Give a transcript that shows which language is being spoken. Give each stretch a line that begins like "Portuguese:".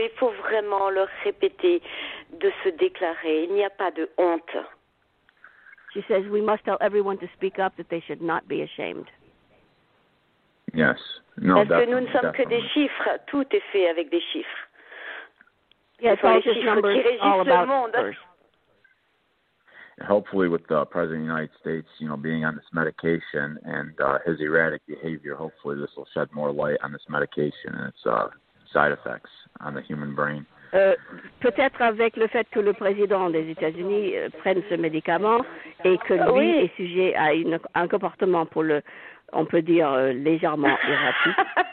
French: Il faut vraiment leur répéter de se déclarer. Il n'y a pas de honte.
English: She says we must tell everyone to speak up that they should not be ashamed. Yes. No.
French: Parce que nous ne sommes
English: definitely.
French: Que des chiffres. Tout est fait avec des chiffres.
English: Yes,
French: ce sont les chiffres qui régissent le monde.
English: First. Hopefully with the President of the United States, you know, being on this medication and his erratic behavior, hopefully this will shed more light on this medication and its side effects on the human brain.
French: Peut-être avec le fait que le président des États-Unis prenne ce médicament et que lui est sujet à un comportement pour le, on peut dire, légèrement erratique.